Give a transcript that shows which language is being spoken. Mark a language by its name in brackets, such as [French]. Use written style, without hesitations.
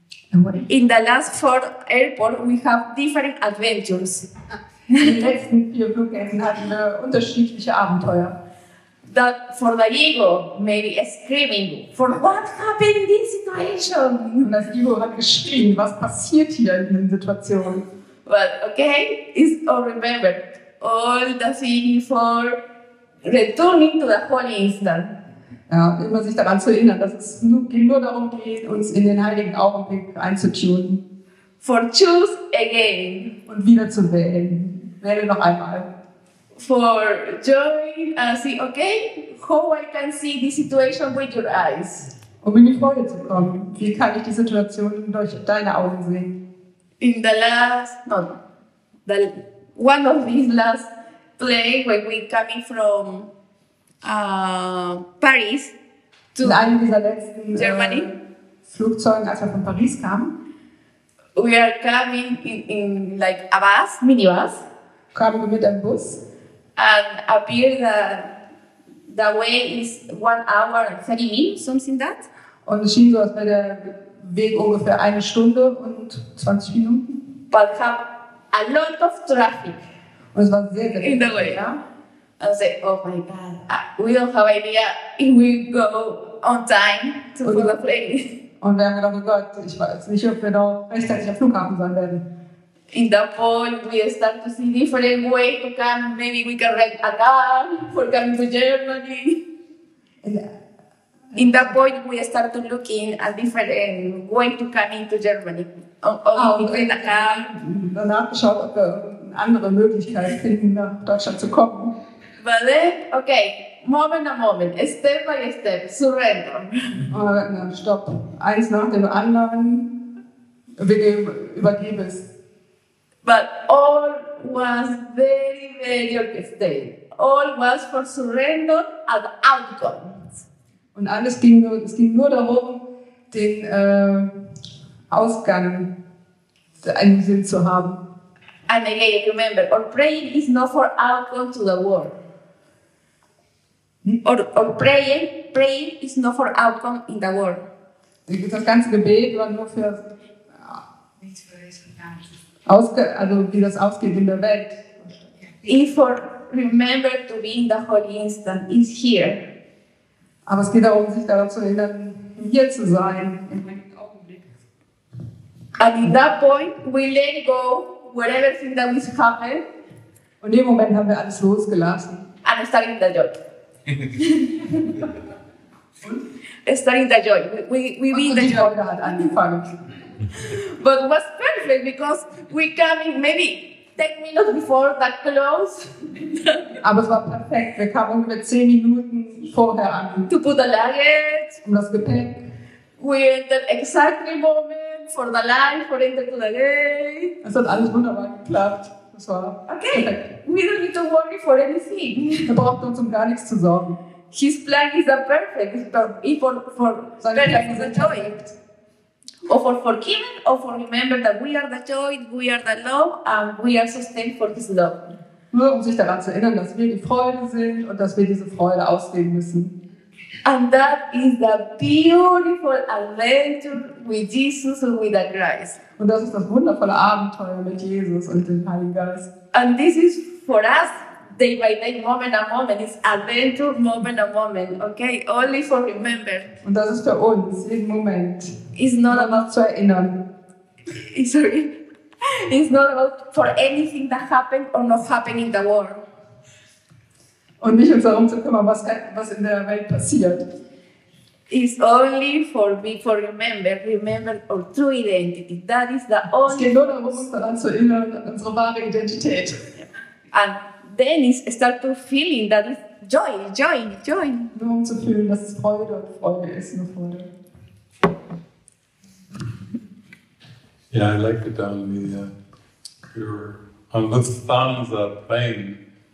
[English] In the last 4 airports, we have different adventures. [German] In den letzten 4 Flughäfen hatten wir unterschiedliche Abenteuer. [English] That for the ego, maybe screaming, for what happened in this situation? [German] Und das Ego hat geschrien, was passiert hier in der Situation? [English] Well, okay, it's all remembered. All the thing for returning to the holy instant. [German] Ja, immer sich daran zu erinnern, dass es nur darum geht, uns in den heiligen Augenblick einzutunen. [English] For choose again. [German] Und wieder zu wählen. Wähle noch einmal. [English] For joy, see, okay, how I can see the situation with your eyes. [German] Um in die Freude zu kommen. Wie kann ich die Situation durch deine Augen sehen? [English] In the last, no, the one of these last play when we coming from Paris [German] to in einem dieser letzten Germany. Flugzeugen, als wir von Paris kamen. [English] We are coming in like a bus, minibus. [German] Kamen wir mit einem Bus. [English] And appear that the way is 1 hour and 30 minutes, something that. [German] Und es schien so, als wäre der Weg ungefähr eine Stunde und 20 Minuten. [English] But have a lot of traffic. [German] Und es war sehr, sehr [English] in the way. And say, oh my God, we don't have idea if we go on time to for the plane. [German] Und wir haben gedacht, oh Gott, ich weiß nicht, ob wir noch rechtzeitig am Flughafen sein werden. [English] In that point, we start to see different ways to come. Maybe we can rent a car for coming to Germany. In that point, we start to look in a different way to come into Germany. [German] Danach schauen, ob wir eine andere Möglichkeit finden, nach Deutschland zu kommen. [English] But then, okay, moment, step by step, surrender. [German] Stopp. Eins nach dem anderen, wir übergeben es. [English] But all was very, very okay. All was for surrender and outcomes. [German] Und alles ging nur, es ging nur darum, den Ausgang einen Sinn zu haben. [English] And again, remember, our praying is not for outcome to the world. Praying is not for outcome in the world. [German] Das ganze Gebet war nur für also wie das ausgeht in der Welt. [English] If for remember to be in the holy instant is here. [German] Aber es geht darum, sich daran zu erinnern, hier zu sein im Augenblick. [English] And in that point we let go whatever thing that is happening. [German] Und in dem Moment haben wir alles losgelassen. [English] And starting the joy. Starting the joy. We be in the joy. [German] Und die Freude hat angefangen. [English] But it was perfect because we came in maybe 10 minutes before that close. [German] Aber es war perfekt. Wir kamen ungefähr 10 Minuten vorher an. [English] To put the luggage. [German] Um das Gepäck. [English] We entered exactly moment for the line for enter to the gate. [German] Es hat alles wunderbar geklappt. Es war [English] okay. [German] Perfekt. [English] We don't need to worry for anything. [German] Wir brauchten uns um gar nichts zu sorgen. [English] His plan is a perfect. For perfect is a joy. Or for forgiving, or for remember that we are the joy, we are the love, and we are sustained for this love. [German] Nur um sich daran zu erinnern, dass wir die Freude sind und dass wir diese Freude ausleben müssen. [English] And that is the beautiful adventure with Jesus and with the Christ. [German] Und das ist das wundervolle Abenteuer mit Jesus und dem Heiligen Geist. [English] And this is for us, day by day, moment by moment, it's adventure, moment by moment, okay? Only for remember. [German] Und das ist für uns, im Moment. [English] It's not about [German] zu erinnern. [English] Sorry. It's not about for anything that happened or not happened in the world. [German] Und nicht uns darum zu kümmern, was in der Welt passiert. [English] It's only for me, for remember our true identity. That is the only. [German] Es geht nur darum, uns daran zu erinnern, unsere wahre Identität. [English] And then it's start to feeling that it's joy. [German] Nur um zu fühlen, dass es Freude und Freude ist, nur Freude. [English] Yeah, I liked it on the thumbs of plane.